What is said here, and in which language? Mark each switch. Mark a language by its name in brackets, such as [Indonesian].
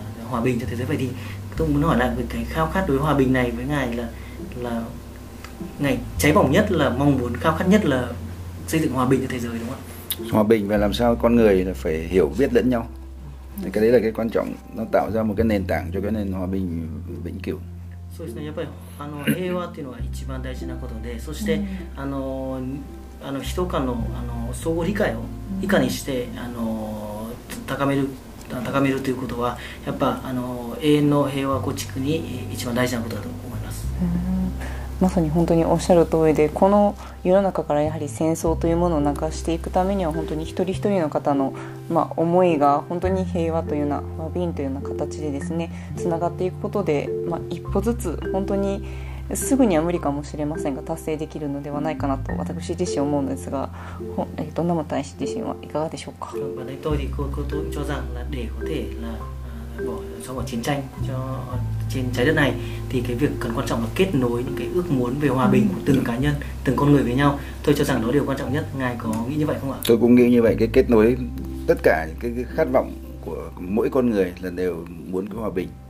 [Vietnamese] Hòa bình cho thế giới, vậy thì tôi muốn hỏi lại về cái khao khát đối với hòa bình này với ngài là ngài cháy bỏng nhất, là mong muốn khao khát nhất là xây dựng hòa bình cho thế giới, đúng không ạ? Hòa bình và làm sao con người là phải hiểu biết lẫn nhau, cái đấy là cái quan trọng, nó tạo ra một cái nền tảng cho cái nền hòa bình vĩnh cửu. [Japanese] そうですね、やっぱり平和っていうのは一番大事なことで、そして人間の相互理解をいかにして高めるということはやっぱ永遠の平和構築に一番大事なことだと思います。まさに本当におっしゃる通りで、この世の中からやはり戦争というものをなくしていくためには本当に一人一人の方の、まあ、思いが本当に平和というような和平というような形でですねつながっていくことで、まあ、一歩ずつ本当にすぐには無理かもしれませんが達成できるのではないかなと私自身思うんですが、どんなも大使自身はいかがでしょうか。 [Vietnamese] tôi thì cô tôi cho rằng là để có thể là bỏ xong cuộc chiến tranh cho trên trái đất này thì cái việc cần quan trọng là kết nối những cái ước muốn về hòa bình của từng cá nhân, từng con người với nhau. Tôi cho rằng đó điều quan trọng nhất. Ngài có nghĩ như vậy không ạ? Tôi cũng nghĩ như vậy. Cái kết nối tất cả những cái khát vọng của mỗi con người là đều muốn cái hòa bình.